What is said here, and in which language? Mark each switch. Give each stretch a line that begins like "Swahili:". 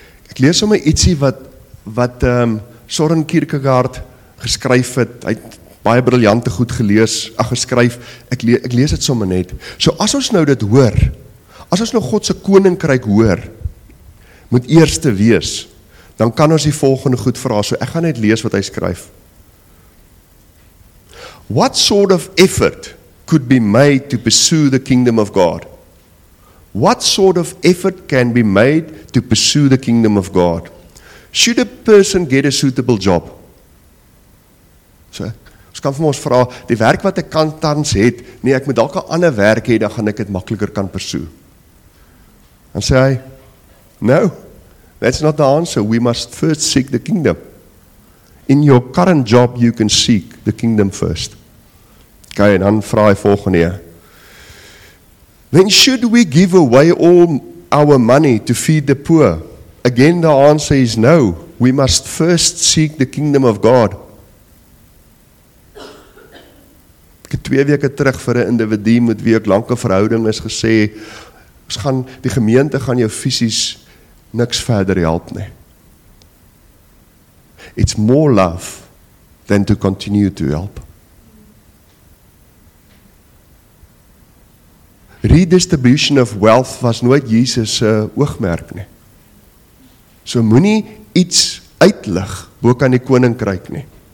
Afrikaans: Ek lees om ietsie wat Søren Kierkegaard geskryf het, hy het baie briljante goed gelees, geskryf, ek lees het sommer net. So as ons nou dit hoor, As ons nou God se koninkryk hoor, moet eerste wees, dan kan ons die volgende goed vra. So ek gaan net lees wat hy skryf.
English: What sort of effort could be made to pursue the kingdom of God? What sort of effort can be made to pursue the kingdom of God? Should a person get a suitable job?
Afrikaans: So, ons kan vir ons vra, die werk wat ek kan tans het, nee, ek moet dalk 'n ander werk hê, dan gaan ek dit makliker kan pursue. Dan sê hy,
English: no, that's not the answer. We must first seek the kingdom. In your current job, you can seek the kingdom first.
Afrikaans: Okay, en dan vra hy volgende.
English: Then should we give away all our money to feed the poor? Again, the answer is no. We must first seek the kingdom of God.
Afrikaans: Ek het 2 weke terug vir 'n individu met wie ek lank 'n verhouding is gesê, ons gaan, die gemeente gaan jou fisies niks verder help nie.
English: It's more love than to continue to help. Redistribution of wealth
Afrikaans: was nooit Jesus se oogmerk nie. So moenie iets uitlig bo kan die koninkryk nie.